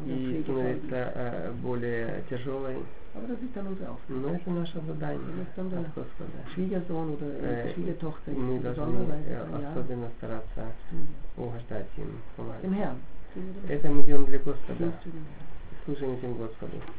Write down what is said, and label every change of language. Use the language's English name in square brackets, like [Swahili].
[Russian] И становится более тяжелой. [German] Aber das ist dann unsere Aufgabe. [Russian] Но это наше задание. [German] Das ist dann der Schwiegersohn oder Schwiegertochter. [Russian] Мы должны особенно стараться угождать им, помогать. [German] Dem Herrn. [Russian] Это мы делаем для Господа. Служим этим Господу.